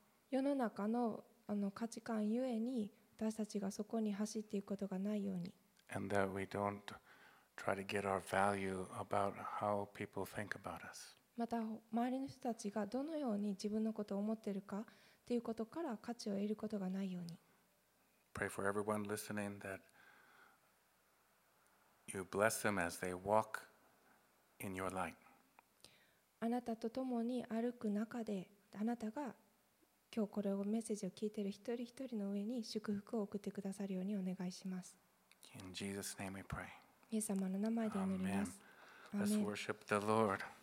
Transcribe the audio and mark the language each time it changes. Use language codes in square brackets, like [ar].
[ja] 世の中の価値観ゆえに私たちがそこに走っていくことがないように、また周りの人たちがどのように自分のことを思っているかということから価値を得ることがないように。 [en] Pray for everyone listening that you bless them as they walk in your light. [ja] あなたと共に歩く中であなたが今日これをメッセージを聞いている一人一人の上に祝福を送ってくださるようにお願いします。 [en] In Jesus' name we pray. [ja] イエス様の名前で祈ります。 [en] Amen. Let's worship the Lord.